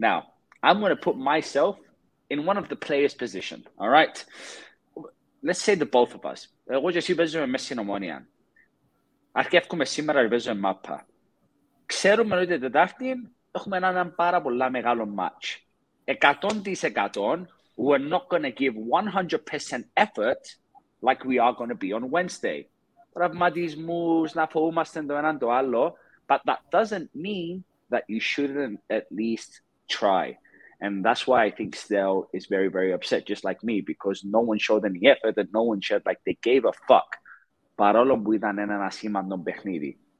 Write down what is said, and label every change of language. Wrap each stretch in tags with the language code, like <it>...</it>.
<en>Now, I'm gonna put myself in one of the players' position, all right? Let's say the both of us.</en> <el>Εγώ και εσύ παίζουμε μέσα στην Ομόνοια. Αρχεύκουμε σήμερα να παίζουμε μάπα. Ξέρουμε ότι την Τετάρτη έχουμε έναν πάρα πολύ μεγάλο match.</el> <en>100% we're not going to give 100% effort like we are going to be on Wednesday.</en> <el>Πραγματισμούς, να φοβούμαστε το έναν το άλλο.</el> <en>But that doesn't mean that you shouldn't at least try. And that's why I think Stel is very, very upset, just like me, because no one showed any effort and no one showed, like, they gave a fuck.</en> <el>Παρόλο που ήταν έναν ασήμαντο παιχνίδι.</el>